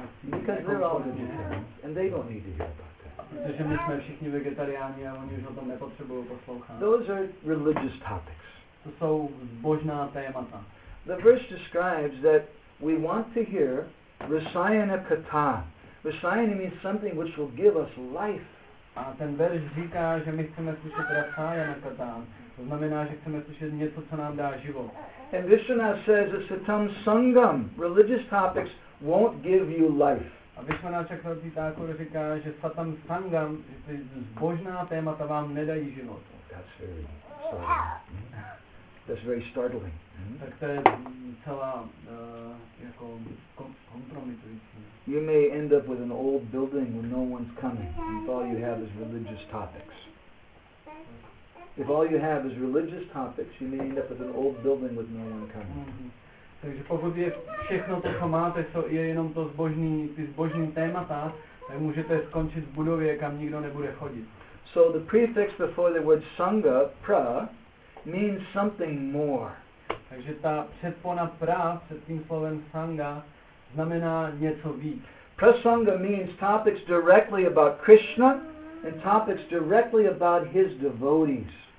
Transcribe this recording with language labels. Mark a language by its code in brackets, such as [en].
[en] Because they're all vegetarians, and they don't need to hear about it. [cs] Protože my jsme všichni vegetariáni a oni už o tom nepotřebují poslouchat. [en] Those are religious topics. [cs] To jsou božná témata. [en] The verse describes that we want to hear rasayana katha. Rasayana means something which will give us life. [cs] A ten verš říká, že my chceme slyšet rasayana katha. To znamená, že chceme slyšet něco, co nám dá život. [en] And Vishwanath says that satam sangam, religious topics, won't give you life. [cs] A Vishwanath Chakravarti Thakur říká, že satam sangam, že ty zbožná témata vám nedají život. [en] That's very startling. That's very startling. [cs] Tak to je celá jako kompromitující. [en] You may end up with an old building when no one's coming. If all you have is religious topics. If all you have is religious topics, you may end up with an old building with no one coming. [cs] Takže pokud je všechno to, co máte, je jenom to zbožný, ty zbožný témata, tak můžete skončit v budově, kam nikdo nebude chodit. [en] So the prefix before the word sangha, pra, means something more. [cs] Takže ta předpona pra před tím slovem sangha znamená něco víc. [en] Prasanga means topics directly about Krishna and topics directly about his devotees.